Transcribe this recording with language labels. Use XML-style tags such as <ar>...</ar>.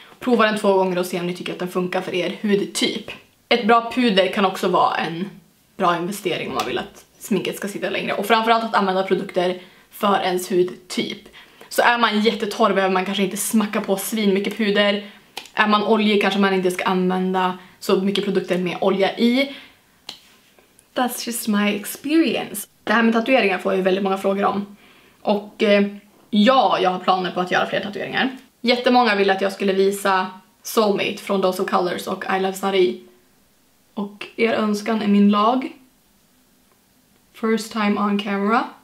<sv>Prova den 2 gånger och se om ni tycker att den funkar för er hudtyp. Ett bra puder kan också vara en bra investering om man vill att sminket ska sitta längre. Och framförallt att använda produkter för ens hudtyp. Så är man jättetorr behöver man kanske inte smacka på svin mycket puder. Är man olje kanske man inte ska använda så mycket produkter med olja i.</sv> <en>That's just my experience.</en> <sv>Det här med tatueringar får jag ju väldigt många frågor om. Och ja, jag har planer på att göra fler tatueringar. Jättemånga ville att jag skulle visa Soulmate från Dose of Colors och I Love Sari. Och er önskan är min lag.</sv> <en>First time on camera.</en>